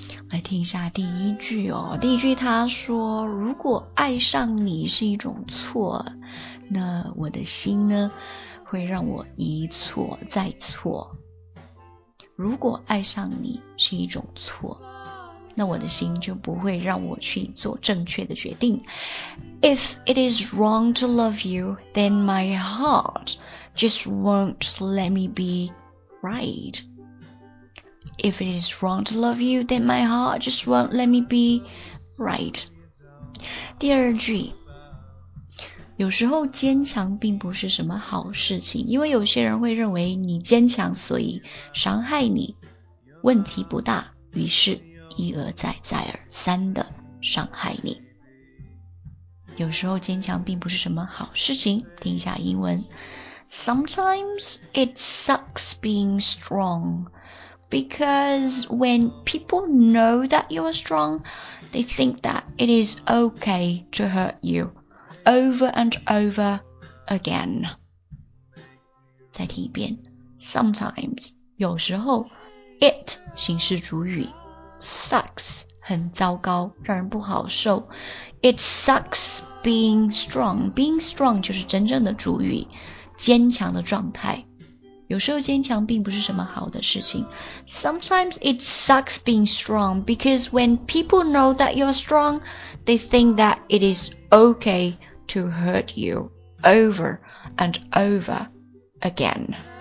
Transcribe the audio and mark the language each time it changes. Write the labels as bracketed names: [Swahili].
[Chinese] 来听一下第一句哦，第一句他说，如果爱上你是一种错，那我的心呢会让我一错再错。如果爱上你是一种错，那我的心就不会让我去做正确的决定。 [English] If it is wrong to love you, then my heart just won't let me be right. If it is wrong to love you, then my heart just won't let me be right. [Chinese] 第二句，有时候坚强并不是什么好事情，因为有些人会认为你坚强，所以伤害你，问题不大，于是一而再再而三的伤害你。有时候坚强并不是什么好事情，听一下英文。 [English] Sometimes it sucks being strong, because when people know that you are strong, they think that it is okay to hurt you over and over again. [Chinese] 再听一遍。Sometimes, 有时候， it 形式主语，sucks 很糟糕，让人不好受。 [English] It sucks being strong. Being strong [Chinese] 就是真正的主语，坚强的状态。有时候坚强并不是什么好的事情。 [English] Sometimes it sucks being strong because when people know that you're strong, they think that it is okay to hurt you over and over again.